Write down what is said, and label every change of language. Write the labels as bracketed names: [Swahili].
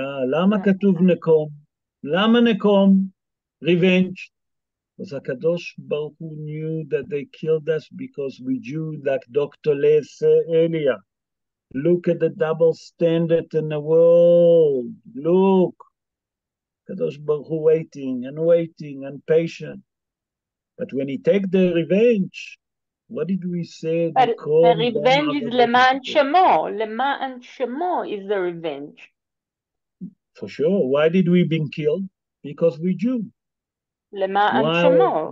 [Hebrew] למה כתוב נקום? למה נקום? Revenge. אז הקדוש ברוך הוא [English] knew that they killed us because we Jew like Dr. Les Elia. Look at the double standard in the world. Look. הקדוש ברוך הוא waiting and waiting and patient. But when he take the revenge, what did we say? The revenge is leman shemo. Leman shemo is the revenge. For sure. Why did we been killed? Because we Jew. [Hebrew] Leman [English] why, [Hebrew] shemo.